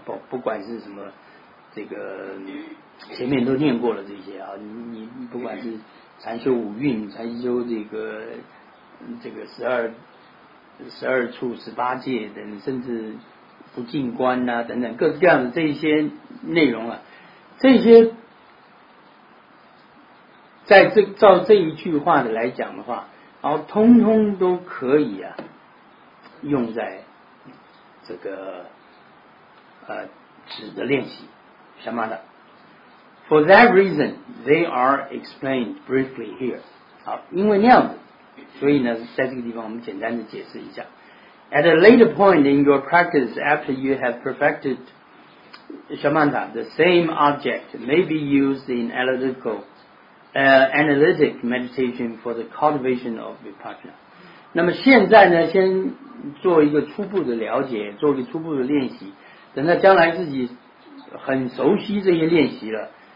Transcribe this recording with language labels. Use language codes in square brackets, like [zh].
[zh] 不管是什么，这个前面都念过了这些啊，你不管是禅修五蕴，禅修这个十二处十八界等，甚至不净观啊等等各式各样的这一些内容啊，这些在这照这一句话的来讲的话，然后通通都可以啊用在这个止的练习什么的。 [en] For that reason, they are explained briefly here. [zh] 好，因为那样子，所以呢，在这个地方我们简单的解释一下。 [en] At a later point in your practice, after you have perfected shamatha, the same object may be used in analytic meditation for the cultivation of vipassana. [zh] 那么现在呢，先做一个初步的了解，做一个初步的练习，等到将来自己很熟悉这些练习了。